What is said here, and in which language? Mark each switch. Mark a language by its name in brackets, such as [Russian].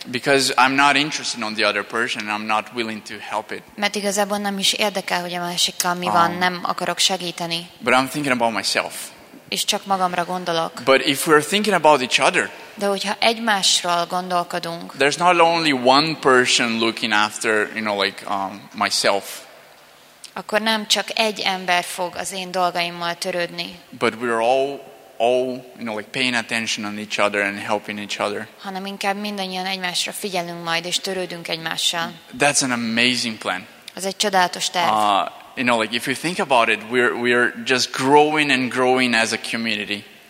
[English] Because I'm not interested in the other person, and I'm not willing to help it. [Hungarian] Mert igazából nem is érdekel, hogy a másikkal mi van, nem akarok segíteni. [English] But I'm thinking about myself. [Hungarian] és csak magamra gondolok. [English] But if we're thinking about each other, [Hungarian] de hogyha egymásról gondolkodunk, [English] there's not only one person looking after, you know, like myself. [Hungarian] Akkor nem csak egy ember fog az én dolgaimmal törődni. [English] But we're all, you know, like paying attention on each other and helping each other. [Hungarian] Hanem inkább mindannyian egymásra figyelünk majd és törődünk egymással. [English] That's an amazing plan. [Hungarian] Ez egy csodálatos terv. [English] You know, like if you think about it, we're just growing and growing as a community.